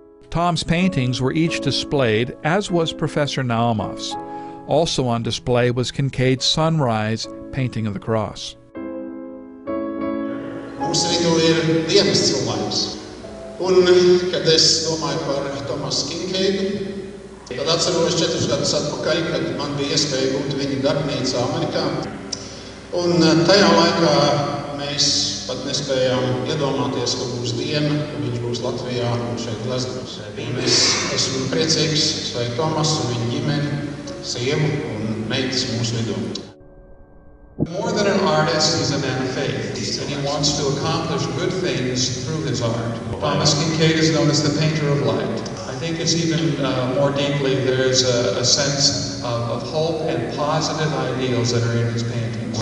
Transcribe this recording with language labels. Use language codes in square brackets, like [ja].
[en] Tom's paintings were each displayed, as was Professor Naumoff's. Also on display was Kinkade's Sunrise painting of the cross. [lv] Mums vidū ir viens cilvēks. Un, kad es domāju par Tomasu Kinkade, tad atceros četrus gadus atpakaļ, kad man bija iespēja būt viņa darbnīca Amerikā. Un tajā laikā mēs pat nespējām iedomāties, ka būs diena, ka viņš būs Latvijā un šeit Glasgow. Mēs esmu priecīgs, sveiku Tomasu, viņa ģimeni, sievu un meitas mūsu vidū. [en] More than an artist is a man of faith, and he wants to accomplish good things through his art. Thomas Kinkade is known as the painter of light. I think it's even more deeply there is a sense of hope and positive ideals that are in his paintings.